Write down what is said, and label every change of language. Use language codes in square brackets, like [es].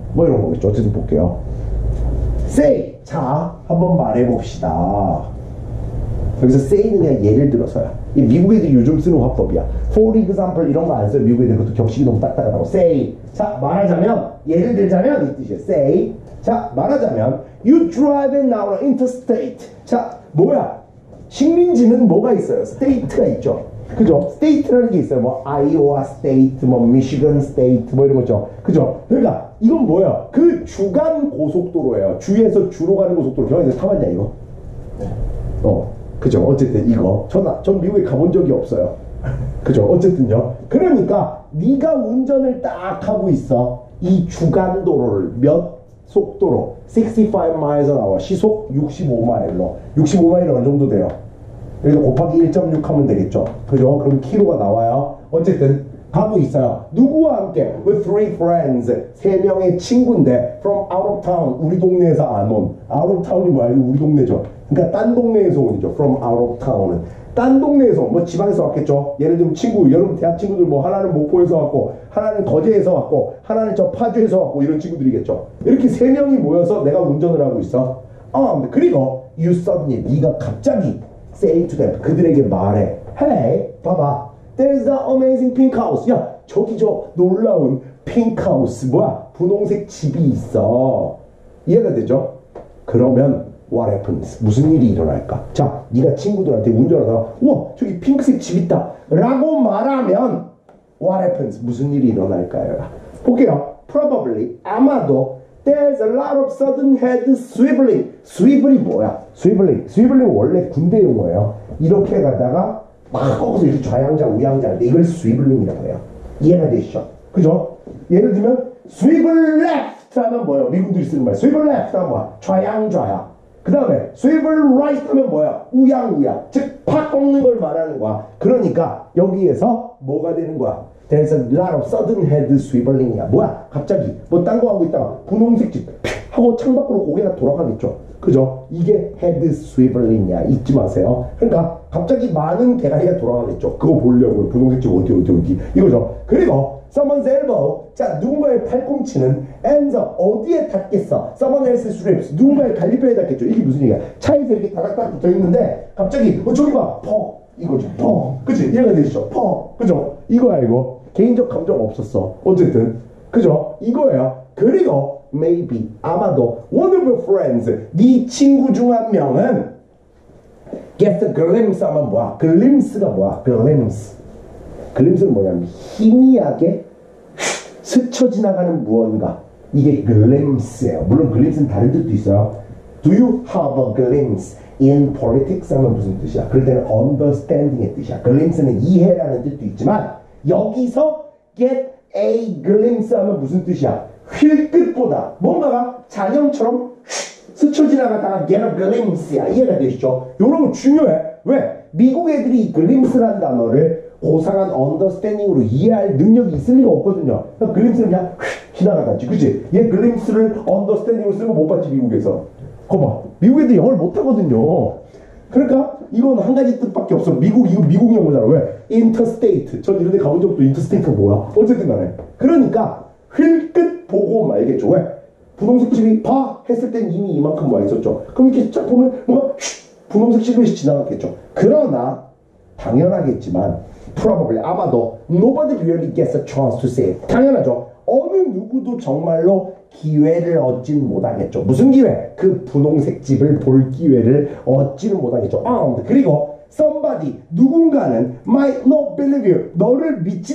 [ko] 뭐 이런 거겠죠. 어쨌든 볼게요. Say. 자, 한번 말해봅시다. 여기서 say는 그냥 예를 들어서야. 이 미국 애들이 요즘 쓰는 화법이야. [en] For example [ko] 이런 거 안 써요. 미국 애들 그것도 격식이 너무 딱딱하다고. Say. 자, 말하자면 예를 들자면 이 뜻이에요. Say. 자, 말하자면 [en] You drive in our interstate. [ko] 자, 뭐야? 식민지는 뭐가 있어요? 스테이트가 있죠. 그죠? 스테이트라는 게 있어요. 뭐 아이오와 스테이트, 뭐 미시건 스테이트, 뭐 이런 거죠. 그죠? 그러니까 이건 뭐예요? 그 주간 고속도로예요. 주에서 주로 가는 고속도로. 형이 이제 타봤냐 이거? 네. 어, 그죠? 어쨌든 이거. 전 미국에 가본 적이 없어요. 그죠? 어쨌든요. 그러니까 네가 운전을 딱 하고 있어. 이 주간 도로를 몇 속도로? 65 마일에서 나와. 시속 65 마일로. 65 마일은 어느 정도 돼요? 그래서 곱하기 1.6 하면 되겠죠. 그죠? 그럼 키로가 나와요. 어쨌든 하고 있어요. 누구와 함께? [en] With three friends. [ko] 세 명의 친구인데 [en] from out of town. [ko] 우리 동네에서 안 온. [en] out of town이 뭐야? [ko] 우리 동네죠. 그러니까 딴 동네에서 온이죠. [en] from out of town은. [ko] 딴 동네에서 뭐 지방에서 왔겠죠. 예를 들면 친구, 여러분 대학 친구들 뭐 하나는 목포에서 왔고 하나는 거제에서 왔고 하나는 저 파주에서 왔고 이런 친구들이겠죠. 이렇게 세 명이 모여서 내가 운전을 하고 있어. 그리고 [en] you suddenly, [ko] 네가 갑자기 [en] say to them, [ko] 그들에게 말해. Hey, 봐봐. [en] There's the amazing pink house. [ko] 야, 저기 저 놀라운 [en] pink house. [ko] 뭐야? 분홍색 집이 있어. 이해가 되죠? 그러면 [en] What happens? [ko] 무슨 일이 일어날까? 자, 네가 친구들한테 운전하다가 우와, 저기 핑크색 집 있다! 라고 말하면 [en] What happens? [ko] 무슨 일이 일어날까요? 볼게요. [en] Probably, [ko] 아마도 [en] There's a lot of sudden head swiveling. [ko] Swiveling 뭐야? Swiveling. Swiveling 원래 군대 용어예요. 이렇게 갔다가 막 꺾어서 이렇게 좌향장, 우향장 이걸 swiveling이라고 해요. 이해가 되시죠? 그죠? 예를 들면 [en] Swivel left [ko] 하면 뭐예요? 미국들이 쓰는 말. [en] Swivel left [ko] 하면 뭐야? 좌향좌야. 그 다음에 [en] swivel right [ko] 하면 뭐야? 우양우양. 즉 팍 꺾는 걸 말하는 거야. 그러니까 여기에서 뭐가 되는 거야? [en] There's a lot of sudden head swiveling이야. [ko] 뭐야? 갑자기 뭐 딴 거 하고 있다가 분홍색 집 하고 창 밖으로 고개가 돌아가겠죠. 그죠? 이게 [en] head swiveling [ko] 이야. 잊지 마세요. 그러니까 갑자기 많은 대가리가 돌아가겠죠. 그거 보려고 분홍색 집 어디 어디 어디 이거죠. 그리고 [en] Someone's elbow. [ko] 자, 누군가의 팔꿈치는 [en] ends up [ko] 어디에 닿겠어? [en] Someone else's strips. [ko] 누군가의 갈비뼈에 닿겠죠. 이게 무슨 얘기야? 차에서 이렇게 다닥다닥 붙어있는데 갑자기 어 저기 봐! 퍽! 이거죠. 퍽! 그치? 이해가 되시죠? 퍽! 그죠? 이거야 이거. 개인적 감정 없었어. 어쨌든. 그죠? 이거예요. 그리고 [en] maybe [ko] 아마도 [en] one of your friends [ko] 네 친구 중 한 명은 [en] get a glimpse [ko] 하면 뭐야? glimpse가 뭐야? [en] glimpse. [ko] 글림스는 뭐냐면 희미하게 스쳐 지나가는 무언가. 이게 글림스예요. 물론 글림스는 다른 뜻도 있어요. [en] Do you have a glimpse in politics? [ko] 하면 무슨 뜻이야? 그럴 때는 understanding의 뜻이야. 글림스는 이해라는 뜻도 있지만 여기서 [en] get a glimpse [ko] 하면 무슨 뜻이야? 휠끝보다 뭔가가 잔영처럼 스쳐 지나가다가 [en] get a glimpse [ko] 야. 이해가 되시죠? 여러분 중요해. 왜? 미국 애들이 이 글림스라는 단어를 고상한 언더스탠딩으로 이해할 능력이 있을 리가 없거든요. 그러니까 글림스는 그냥 휙 지나가다지. 그치? 얘 글림스를 언더스탠딩으로 쓰면 못 봤지 미국에서. 거봐. 미국에도 영어를 못하거든요. 그러니까 이건 한 가지 뜻밖에 없어. 미국 이거 미국 영어잖아. 왜? 인터스테이트. 전 이런 데 가본 적도 인터스테이트가 뭐야? 어쨌든 간에. 그러니까 휠끝 보고 말겠죠. 왜? 분홍색 집이 봐! 했을 땐 이미 이만큼 와 있었죠. 그럼 이렇게 쫙 보면 뭔가 휙 분홍색 집이 지나갔겠죠. 그러나 당연하겠지만 [en] Probably, [ko] 아마도 [en] nobody really gets a chance to say it. [ko] 당연하죠. 어느 누구도 정말로 기회를 얻진 못하겠죠. 무슨 기회? 그 분홍색 집을 볼 기회를 얻지는 못하겠죠. 그리고 [en] somebody, [ko] 누군가는 [en] might not believe you. [ko] 너를 믿지도